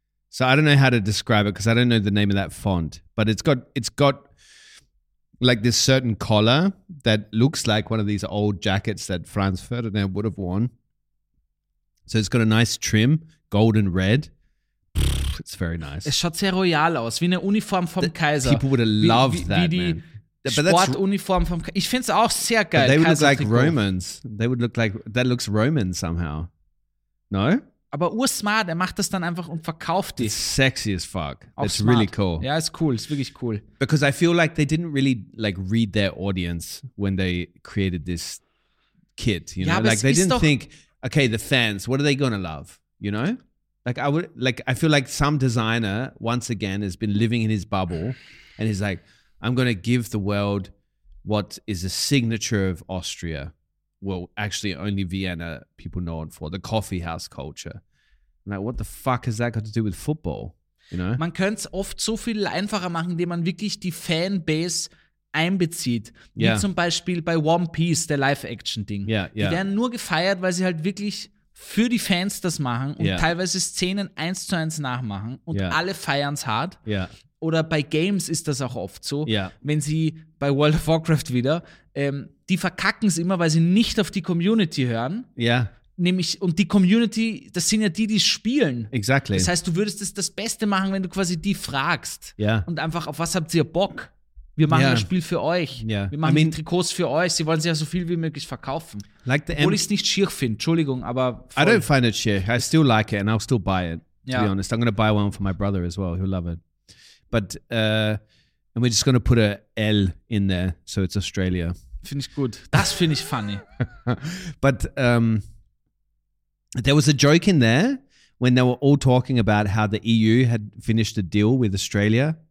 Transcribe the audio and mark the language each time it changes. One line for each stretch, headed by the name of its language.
English: So I don't know how to describe it because I don't know the name of that font, but it's got like this certain collar that looks like one of these old jackets that Franz Ferdinand would have worn. So it's got a nice trim, golden red. It's very nice.
German: Es schaut sehr royal aus, wie eine Uniform vom Kaiser.
English: People would have loved that, man.
German: Sportuniform vom Kaiser. Ich find's auch sehr geil.
English: They would look like Romans. They would look like, that looks Roman somehow. No?
German: Aber ursmart, er macht das dann einfach und verkauft die.
English: It's sexy as fuck.
German: Auch
English: it's smart. Really cool.
German: Ja,
English: it's cool. It's
German: wirklich
English: cool. Because I feel like they didn't really like read their audience when they created this kit, you know?
German: Ja,
English: like they didn't think, okay, the fans, what are they gonna love? You know? Like I would, like I feel like some designer once again has been living in his bubble and he's like, I'm gonna give the world what is a signature of Austria. Well, actually only Vienna people know it for, the coffee house culture. I'm like, what the fuck has that got to do with football? You know?
German: Man könnte es oft so viel einfacher machen, indem man wirklich die Fanbase einbezieht. Wie
English: yeah.
German: zum Beispiel bei One Piece, der Live-Action-Ding.
English: Yeah, yeah.
German: Die werden nur gefeiert, weil sie halt wirklich für die Fans das machen und
English: yeah.
German: teilweise Szenen 1:1 nachmachen und
English: yeah.
German: alle feiern es hart.
English: Yeah.
German: Oder bei Games ist das auch oft so.
English: Yeah.
German: Wenn sie bei World of Warcraft wieder die verkacken es immer, weil sie nicht auf die Community hören. Ja. Nämlich, und die Community, das sind ja die, die spielen.
English: Exactly.
German: Das heißt, du würdest es das Beste machen, wenn du quasi die fragst. Ja. Und einfach, auf was habt ihr Bock? Wir machen ja. das Spiel für euch. Ja. Wir machen die Trikots für euch. Sie wollen sich ja so viel wie möglich verkaufen.
English: Like the
German: Obwohl ich es nicht schier finde, Entschuldigung, aber voll.
English: I don't find it
German: schier.
English: I still like it and I'll still buy it, to
German: ja.
English: be honest. I'm going to buy one for my brother as well. He'll love it. But, and we're just going to put a L in there, so it's Australia.
German: Finde ich gut. Das finde ich funny.
English: But there was a joke in there when they were all talking about how the EU had finished a deal with Australia.